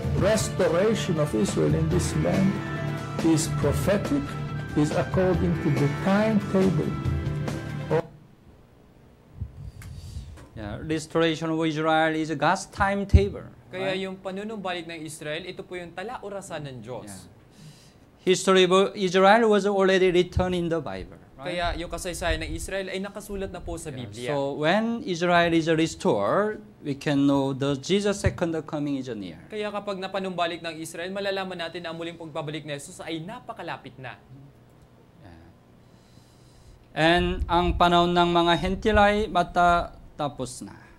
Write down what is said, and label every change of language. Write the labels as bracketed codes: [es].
[en] Restoration of Israel in this land is prophetic, is according to the timetable. Restoration of Israel is God's timetable. [tl] Kaya yung panunumbalik ng Israel, ito po yung talaurasan ng Diyos. [en] Yeah. History of Israel was already written in the Bible. Right? [tl] Kaya yung kasaysayan ng Israel ay nakasulat na po sa Biblia. [en] So when Israel is restored, we can know the Jesus' second coming is near. [tl] Kaya kapag napanumbalik ng Israel, malalaman natin na ang muling pagbabalik ni Jesus ay napakalapit na. [en] Yeah. [tl] And ang panahon ng mga hentilay, matatapos na.